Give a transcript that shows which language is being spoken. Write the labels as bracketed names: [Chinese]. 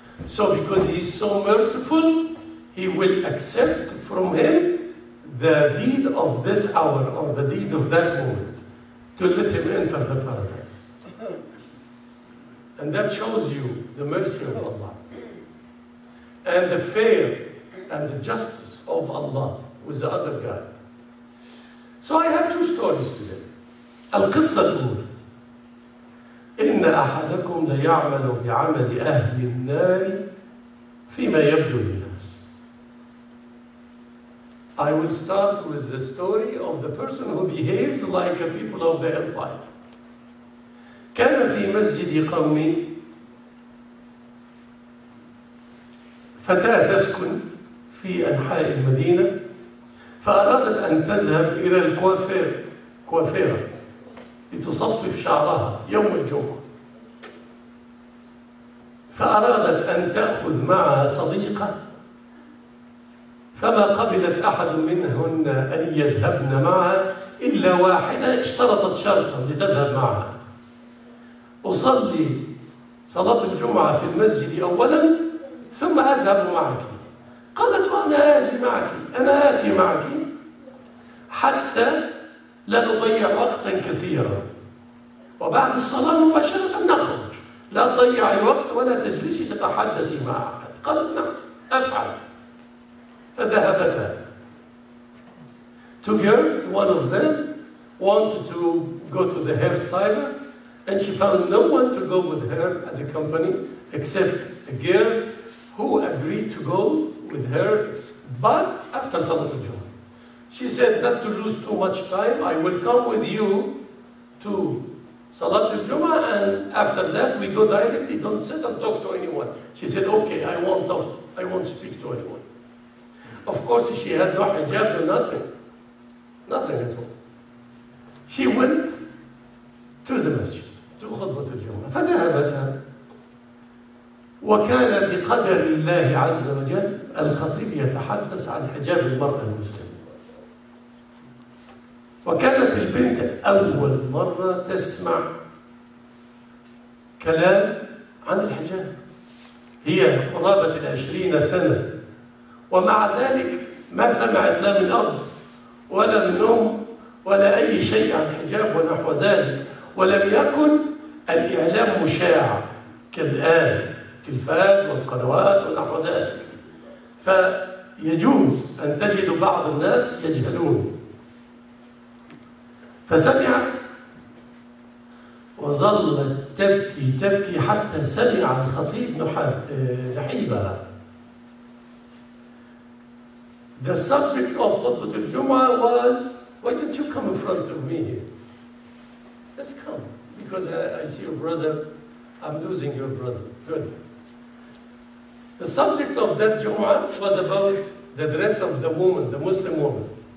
[English] So because he's so merciful, he will accept from him the deed of this hour or the deed of that moment to let him enter the paradise. And that shows you the mercy of Allah and the fair and the justice of Allah with the other guy. So I have two stories today. [Arabic] القصة الأولى: إن أحدكم ليعمل بعمل أهل النار فيما يبدو للناس. [English] I will start with the story of the person who behaves like a people of the hellfire. [Arabic] كان في مسجد قومي فتاة تسكن في أنحاء المدينة، فأرادت أن تذهب إلى الكوافير لتصفف شعرها يوم الجمعة. فأرادت أن تأخذ معها صديقة، فما قبلت أحد منهن أن يذهبن معها إلا واحدة اشترطت شرطا لتذهب معها: أصلي صلاة الجمعة في المسجد أولا ثم أذهب معك. قالت: وأنا آتي معك، أنا آتي معك حتى لا نضيع وقتا كثيرا، وبعد الصلاة مباشرة نخرج، لا تضيع الوقت ولا تجلسي تتحدثي مع أحد. قالت: نعم أفعل. فذهبتا. [English] Two girls, one of them wanted to go to the hairstyler, and she found no one to go with her as a company except a girl who agreed to go with her, but after [Arabic] صلاة الجمعة. [English] She said, not to lose too much time, I will come with you to [Arabic] صلاة الجمعة, [English] and after that we go directly, don't sit and talk to anyone. She said, okay, I won't speak to anyone. Of course, she had no hijab or nothing at all. She went to the masjid, to [Arabic] خطبة الجمعة. فذهبتها. وكان بقدر الله عز وجل الخطيب يتحدث عن حجاب المرأة المسلمة. وكانت البنت أول مرة تسمع كلام عن الحجاب. هي قرابة 20 سنة، ومع ذلك ما سمعت لا من أب ولا من أم ولا أي شيء عن حجاب ونحو ذلك، ولم يكن الإعلام مشاع كالآن التلفاز والقنوات ونحو ذلك. فيجوز أن تجد بعض الناس يجهلون. فسمعت وظلت تبكي تبكي حتى سمع الخطيب نحيبها. [English] The subject of [Arabic] خطبة الجمعة [English] was, why don't you come in front of me here? Let's come, because I see your brother, I'm losing your brother. Good. The subject of that Jum'a was about the dress of the woman, the Muslim woman.